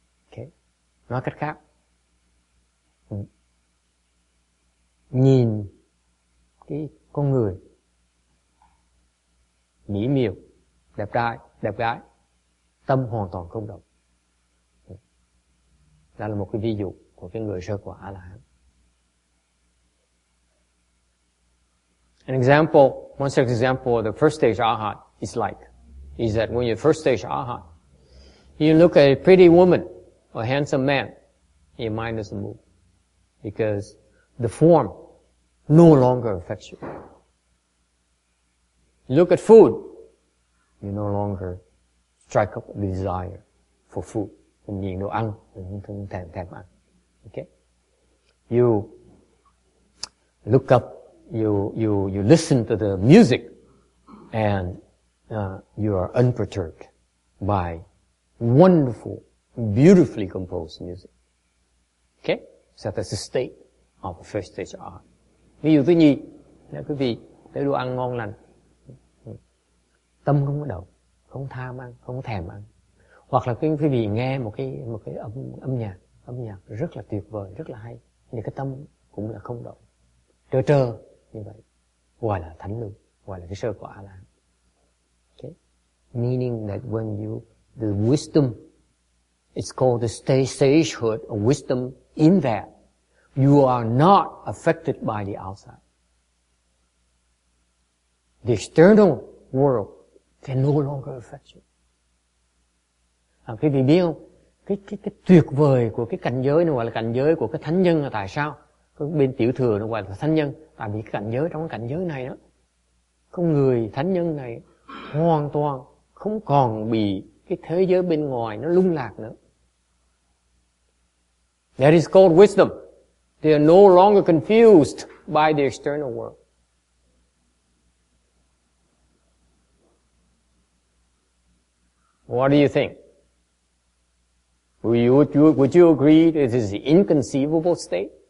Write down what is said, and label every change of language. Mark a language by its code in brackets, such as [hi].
[vi] Okay. Nói cách khác, nhìn cái con người mỹ miều, đẹp trai, đẹp gái, tâm hoàn toàn không động. Đó là một cái ví dụ của cái người sơ quả A-la-hán. [en] An example, one such example of the first stage Arhat is like, is that when you first stage Arhat, you look at a pretty woman or a handsome man, your mind doesn't move because the form no longer affects you. You look at food, you no longer strike up a desire for food. [vi] Nhìn đồ ăn, không thèm ăn. [en] Okay? You look up, you listen to the music, and you are unperturbed by wonderful, beautifully composed music. Okay? So that's the state of the first stage of art. [vi] Ví dụ thứ nhì, là quý vị thấy đồ ăn ngon lành. Tâm không có động, không tham ăn, không thèm ăn. Hoặc là quý vị nghe một cái âm nhạc rất là tuyệt vời, rất là hay, thì cái tâm cũng là không động, trơ như vậy, gọi là thánh lưu, gọi là cái sơ quả là. [en] Okay. Meaning that when you, the wisdom, it's called the sagehood or wisdom in that, you are not affected by the outside. The external world can no longer affect you. [vi] À, quý vị biết không? Cái tuyệt vời của cái cảnh giới này gọi là cảnh giới của cái thánh nhân là tại sao? Cái bên tiểu thừa nó gọi là thánh nhân. Tại vì cái cảnh giới trong cái cảnh giới này đó, con người thánh nhân này hoàn toàn không còn bị cái thế giới bên ngoài nó lung lạc nữa. [en] That is called wisdom. They are no longer confused by the external world. What do you think? Would you agree that this is the inconceivable state?